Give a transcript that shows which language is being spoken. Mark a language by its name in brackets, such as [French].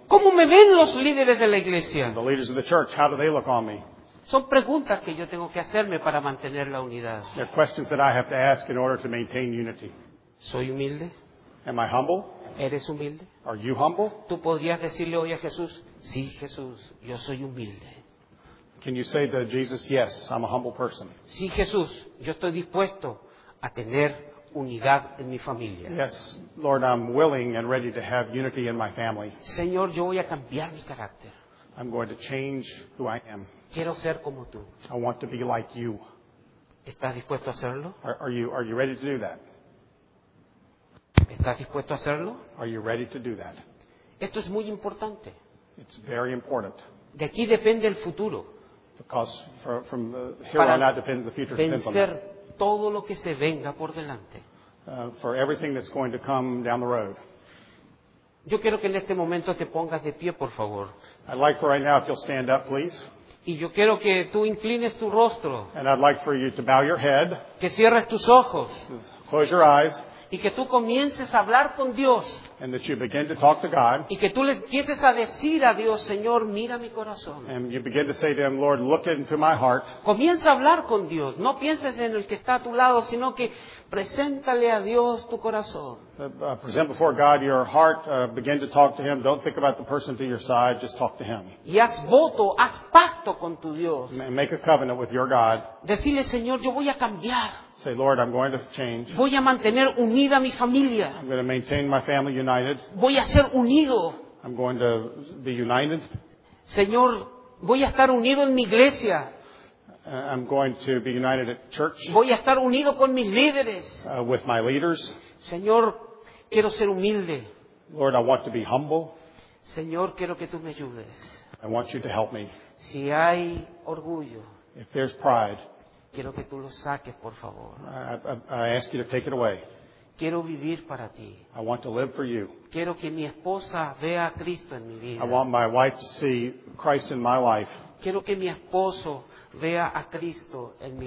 [Spanish] ¿Cómo me ven los líderes de la iglesia? [English] And the leaders of the church, how do they look on me? [Spanish] Son preguntas que yo tengo que hacerme para mantener la unidad. [English] They're questions that I have to ask in order to maintain unity. [Spanish] ¿Soy humilde? [English] Am I humble? [Spanish] ¿Eres humilde? [English] Are you humble? [Spanish] ¿Tú podrías decirle hoy a Jesús, sí, Jesús, yo soy humilde? [English] Can you say to Jesus, yes, I'm a humble person? [Spanish] Sí, Jesús, yo estoy dispuesto a tener unidad en mi familia. [English] Yes, Lord, I'm willing and ready to have unity in my family. [Spanish] Señor, yo voy a cambiar mi carácter. [English] I'm going to change who I am. [Spanish] Quiero ser como tú. [English] I want to be like you. [Spanish] ¿Estás dispuesto a hacerlo? [English] Are you ready to do that? [Spanish] ¿Estás dispuesto a hacerlo? [English] Are you ready to do that? [Spanish] Esto es muy importante. [English] It's very important. [Spanish] De aquí depende el futuro. [English] Because from here on out depends the future. [Spanish] Para vencer todo lo que se venga por delante. [English] For everything that's going to come down the road. [Spanish] Yo quiero que en este momento te pongas de pie, por favor. [English] I'd like for right now if you'll stand up, please. [Spanish] Y yo quiero que tú inclines tu rostro. [English] And I'd like for you to bow your head. [Spanish] Que cierres tus ojos. [English] Close your eyes. [Spanish] Y que tú comiences a hablar con Dios. [English] And that you begin to talk to God. [Spanish] Y que tú le empieces a decir a Dios, Señor, mira mi corazón. [English] And you begin to say to Him, Lord, look into my heart. [Spanish] Comienza a hablar con Dios. No pienses en el que está a tu lado, sino que preséntale a Dios tu corazón. [English] present before God your heart, begin to talk to Him. Don't think about the person to your side, just talk to Him. [Spanish] Y haz voto, haz pacto con tu Dios. [English] And make a covenant with your God. [Spanish] Decirle, Señor, yo voy a cambiar. [English] Say, Lord, I'm going to change. [Spanish] Voy a mantener unida mi familia. [English] I'm going to maintain my family united. [Spanish] Voy a ser unido. [English] I'm going to be united. [Spanish] Señor, voy a estar unido en mi iglesia. [English] I'm going to be united at church. [Spanish] Voy a estar unido con mis líderes. [English] With my leaders. [Spanish] Señor, quiero ser humilde. [English] Lord, I want to be humble. [Spanish] Señor, quiero que tú me ayudes. [English] I want you to help me. [Spanish] Si hay orgullo, [English] if there's pride, [Spanish] quiero que tú lo saques, por favor. [English] I ask you to take it away. [Spanish] Quiero vivir para ti. [English] I want to live for you. [Spanish] Quiero que mi esposa vea a Cristo en mi vida. [English] I want my wife to see Christ in my life. [Spanish] Quiero que mi esposo vea a Cristo en mi